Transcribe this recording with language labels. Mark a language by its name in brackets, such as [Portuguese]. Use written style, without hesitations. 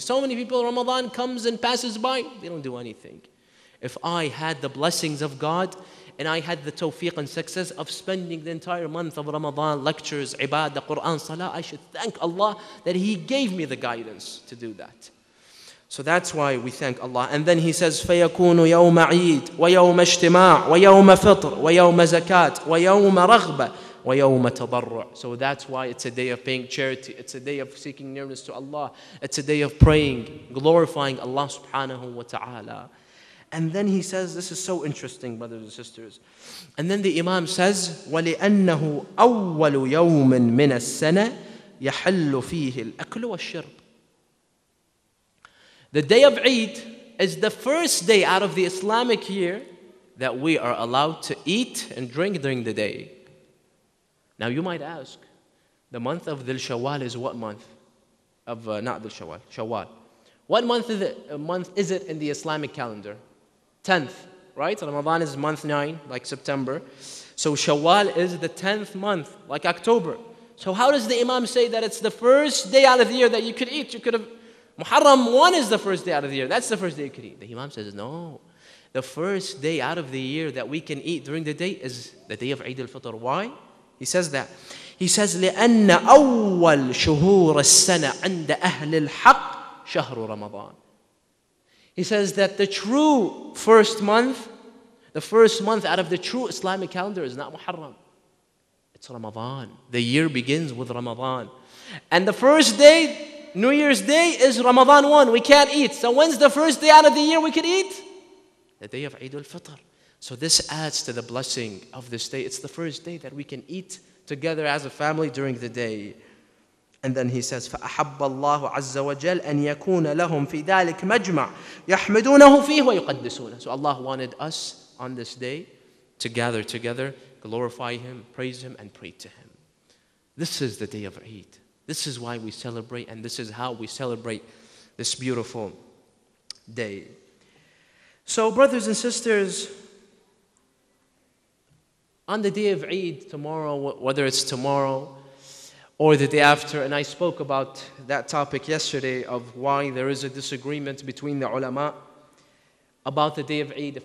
[English] So many people, Ramadan comes and passes by, they don't do anything. If I had the blessings of God and I had the tawfiq and success of spending the entire month of Ramadan, lectures, ibadah, Quran, salah, I should thank Allah that He gave me the guidance to do that. So that's why we thank Allah. And then He says, [Arabic] فَيَكُونُ يَوْمَ عِيدٍ وَيَوْمَ اجْتِمَاعٍ وَيَوْمَ فِطْرٍ وَيَوْمَ زَكَاةٍ وَيَوْمَ رَغْبَةٍ وَيَوْمَ تَضَرُّعٍ. [English] So that's why it's a day of paying charity. It's a day of seeking nearness to Allah. It's a day of praying, glorifying Allah subhanahu wa ta'ala. And then he says, this is so interesting, brothers and sisters. And then the Imam says, [Arabic] وَلِأَنَّهُ أَوَّلُ يَوْمٍ مِنَ السَّنَةِ يَحَلُّ فِيهِ الْأَكْلُ وَالشِّرْبِ. [English] The day of Eid is the first day out of the Islamic year that we are allowed to eat and drink during the day. Now you might ask, the month of Dhul Shawwal is what month? Shawwal. What month is it? Month is it in the Islamic calendar? 10th, right? Ramadan is month 9, like September. So Shawwal is the 10th month, like October. So how does the Imam say that it's the first day out of the year that you could eat? You could have, Muharram 1 is the first day out of the year. That's the first day you could eat. The Imam says, no. The first day out of the year that we can eat during the day is the day of Eid al-Fitr. Why? He says that. He says, [Arabic] لِأَنَّ أَوَّلْ شُهُورَ السَّنَةِ عَنْدَ أَهْلِ الْحَقِّ شَهْرُ رَمَضَانِ. [English] He says that the true first month, the first month out of the true Islamic calendar is not Muharram. It's Ramadan. The year begins with Ramadan. And the first day, New Year's Day, is Ramadan 1. We can't eat. So when's the first day out of the year we can eat? The day of Eid al-Fitr. So this adds to the blessing of this day. It's the first day that we can eat together as a family during the day. And then he says, [Arabic] فَأَحَبَّ اللَّهُ عَزَّ وَجَلْ أَنْ يَكُونَ لَهُمْ فِي ذَلِكْ مَجْمَعْ يَحْمِدُونَهُ فِيهُ وَيُقَدِّسُونَ. [English] So Allah wanted us on this day to gather together, glorify Him, praise Him, and pray to Him. This is the day of Eid. This is why we celebrate, and this is how we celebrate this beautiful day. So brothers and sisters, on the day of Eid tomorrow, whether it's tomorrow or the day after, and I spoke about that topic yesterday of why there is a disagreement between the ulama about the day of Eid.